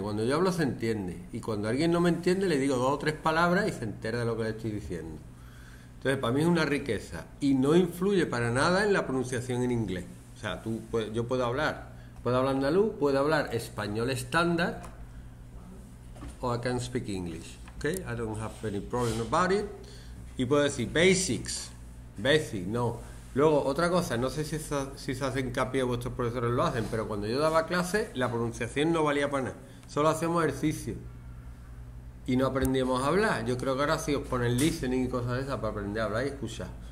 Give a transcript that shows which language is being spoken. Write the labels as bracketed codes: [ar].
[es] Cuando yo hablo, se entiende. Y cuando alguien no me entiende, le digo dos o tres palabras y se entera de lo que le estoy diciendo. Entonces, para mí es una riqueza y no influye para nada en la pronunciación en inglés. O sea, yo puedo hablar. Puedo hablar andaluz, puedo hablar español estándar o [en] I can speak English. Okay, I don't have any problem about it. [es] Y puedo decir basics, basic, no. Luego, otra cosa, no sé si se hace hincapié o vuestros profesores lo hacen, pero cuando yo daba clase, la pronunciación no valía para nada. Solo hacíamos ejercicio. y no aprendíamos a hablar. Yo creo que ahora sí os ponen listening y cosas de esas para aprender a hablar y escuchar.